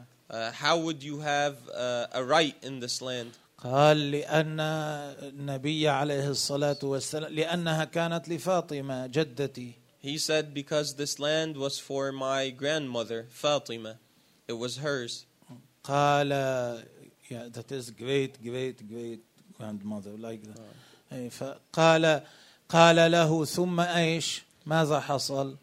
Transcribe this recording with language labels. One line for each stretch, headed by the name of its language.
English: How would you have a right in this land?
Arabic: قال لأن النبي عليه الصلاة والسلام لأنها كانت لفاطمة جدتي.
English: He said, because this land was for my grandmother, Fatima. It was hers.
Arabic: قال,
English: yeah, that is great, great, great grandmother, like that.
Arabic: قال له ثم أيش? ماذا حصل?